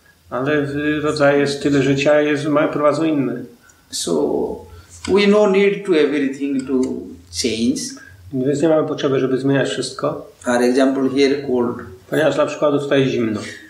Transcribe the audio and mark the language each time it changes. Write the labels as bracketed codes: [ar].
[pl] Ale rodzaj, styl życia jest prowadzą inny. [en] So we no need to everything to change. [pl] Więc nie mamy potrzeby, żeby zmieniać wszystko. [en] For example, here cold. [pl] Ponieważ na przykład tutaj zimno.